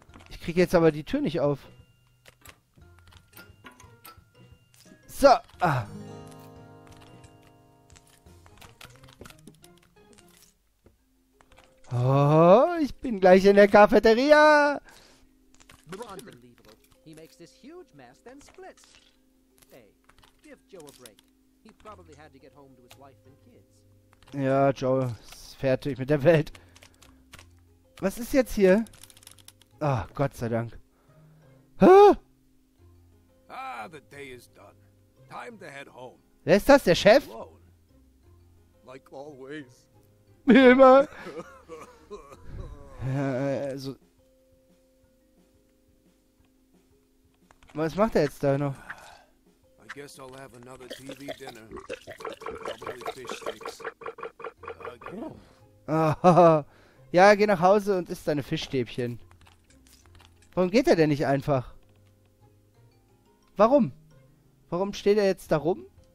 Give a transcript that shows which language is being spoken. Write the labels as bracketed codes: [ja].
[de] Ich krieg jetzt aber die Tür nicht auf. So. Ah. Oh, ich bin gleich in der Cafeteria. [en] Unbelievable. He makes this huge mess, then splits. Hey, give Joe a break. He probably had to get home to his wife and kids. [de] Ja, Joe ist fertig mit der Welt. Was ist jetzt hier? Oh, Gott sei Dank. Huh? [en] Ah, the day is done. Time to head home. [de] Wer ist das, der Chef? [en] Alone. Like always. [de] Wie immer. Also. Was macht er jetzt da noch? [en] I guess I'll have another TV dinner. Probably fish sticks. [de] Ja, geh nach Hause und iss deine Fischstäbchen. Warum geht er denn nicht einfach? Warum? Warum steht er jetzt da rum?